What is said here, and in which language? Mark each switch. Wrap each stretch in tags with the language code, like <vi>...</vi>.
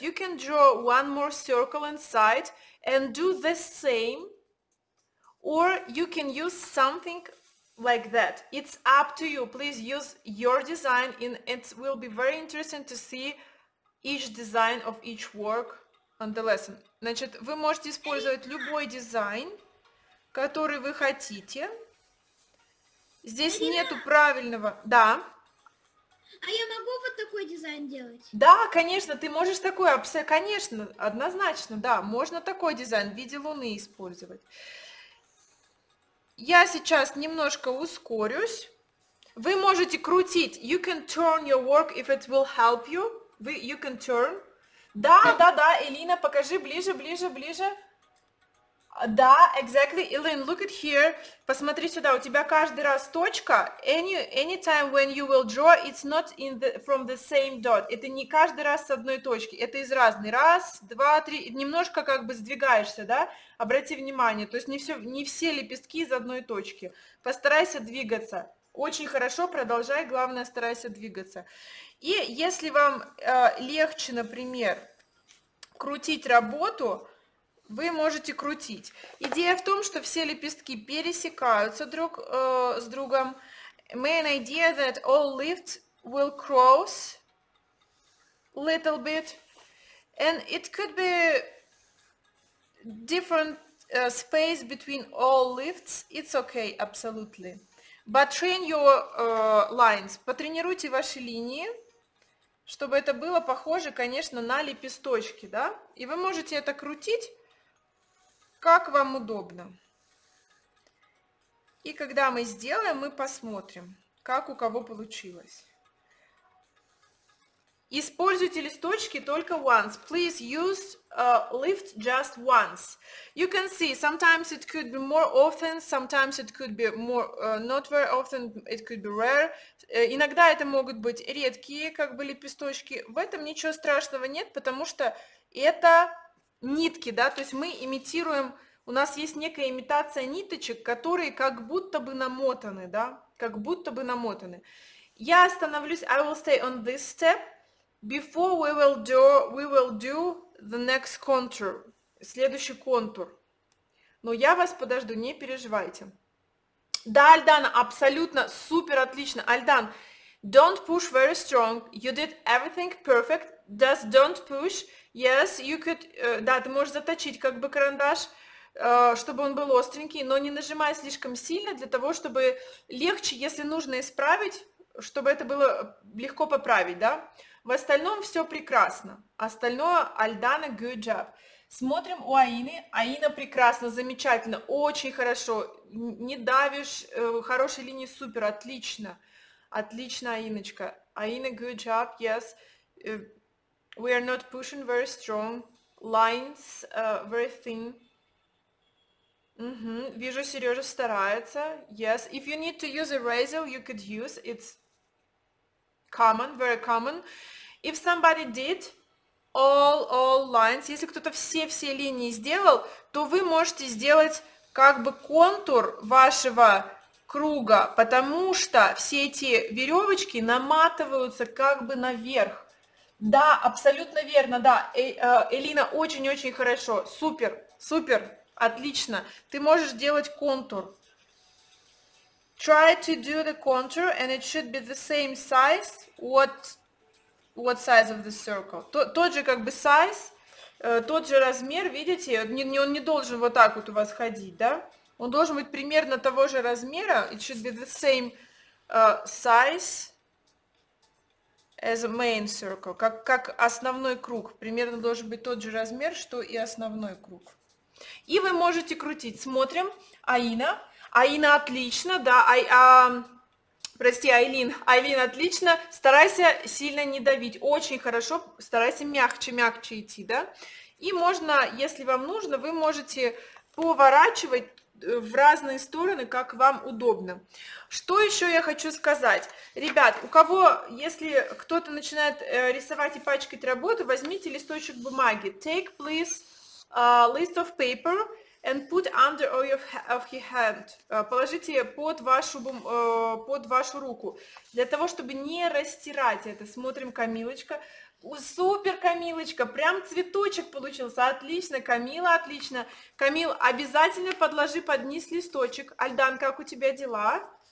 <en>You can draw one more circle inside and do the same, or you can use something like that. It's up to you. Please use your design, and it will be very interesting to see each design of each work on the lesson.</en> <ru>Значит, вы можете использовать любой дизайн, который вы хотите. Здесь нету правильного. Да. А я могу вот такой дизайн делать? Да, конечно, ты можешь такой, конечно, однозначно, да, можно такой дизайн в виде луны использовать. Я сейчас немножко ускорюсь. Вы можете крутить.</ru> <en>You can turn your work if it will help you. You can turn.</en> <ru>Да, да, да, Элина, покажи ближе, ближе, ближе.</ru> <en>Да, exactly. Elin, look at here.</en> <ru>Посмотри сюда. У тебя каждый раз точка.</ru> <en>Anytime when you will draw, it's not in the from the same dot.</en> <ru>Это не каждый раз с одной точки. Это из разной. Раз, два, три. Немножко как бы сдвигаешься, да? Обрати внимание. То есть не все лепестки из одной точки. Постарайся двигаться. Очень хорошо, продолжай. Главное, старайся двигаться. И если вам легче, например, крутить работу, вы можете крутить. Идея в том, что все лепестки пересекаются друг с другом.</ru> <en>Main idea that all leaves will cross little bit. And it could be different space between all leaves. It's okay, absolutely. But train your lines.</en> <ru>Потренируйте ваши линии, чтобы это было похоже, конечно, на лепесточки, да? И вы можете это крутить, как вам удобно. И когда мы сделаем, мы посмотрим, как у кого получилось. Используйте листочки только</ru> <en>once. Please use lift just once. You can see, sometimes it could be more often, sometimes it could be more not very often, it could be rare.</en> <ru>Иногда это могут быть редкие как бы лепесточки. В этом ничего страшного нет, потому что это нитки, да, то есть мы имитируем, у нас есть некая имитация ниточек, которые как будто бы намотаны, да, как будто бы намотаны. Я остановлюсь,</ru> <en>I will stay on this step, before we will do the next contour,</en> <ru>следующий контур. Но я вас подожду, не переживайте. Да, Альдана, абсолютно, супер, отлично.</ru> <en>Альдан, don't push very strong, you did everything perfect, just don't push. Yes, you could,</en> <ru>да, ты можешь заточить как бы карандаш, чтобы он был остренький, но не нажимай слишком сильно для того, чтобы легче, если нужно исправить, чтобы это было легко поправить, да? В остальном все прекрасно. Остальное, Альдана,</ru> <en>good job.</en> <ru>Смотрим у Аины. Аина прекрасно, замечательно, очень хорошо. Не давишь, хорошие линии, супер, отлично. Отлично, Аиночка. Аина,</ru> <en>good job, yes. We are not pushing very strong, lines very thin.</en> <ru>Mm-hmm. Вижу, Сережа старается.</ru> <en>Yes, if you need to use eraser, you could use. It's common, very common. If somebody did all lines,</en> <ru>если кто-то все линии сделал, то вы можете сделать как бы контур вашего круга, потому что все эти веревочки наматываются как бы наверх. Да, абсолютно верно, да. Элина, очень-очень хорошо. Супер, супер, отлично. Ты можешь делать контур.</ru> <en>Try to do the contour, and it should be the same size. What size of the circle?</en> <ru>Тот же как бы size, тот же размер, видите? Он не должен вот так вот у вас ходить, да? Он должен быть примерно того же размера.</ru> <en>It should be the same size as a main circle,</en> <ru>как основной круг. Примерно должен быть тот же размер, что и основной круг. И вы можете крутить. Смотрим. Аина. Аина, отлично, да. Прости, Айлин. Айлин, отлично. Старайся сильно не давить. Очень хорошо. Старайся мягче идти, да. И можно, если вам нужно, вы можете поворачивать в разные стороны, как вам удобно. Что еще я хочу сказать? Ребят, у кого, если кто-то начинает рисовать и пачкать работу, возьмите листочек бумаги.</ru> <en>Take, please, a list of paper and put under of your hand.</en> <ru>Положите под вашу, под вашу руку. Для того, чтобы не растирать это. Смотрим, Камилочка. Супер, Камилочка, прям цветочек получился, отлично, Камила, отлично. Камил, обязательно подложи под низ листочек. Альдан, как у тебя дела?</ru>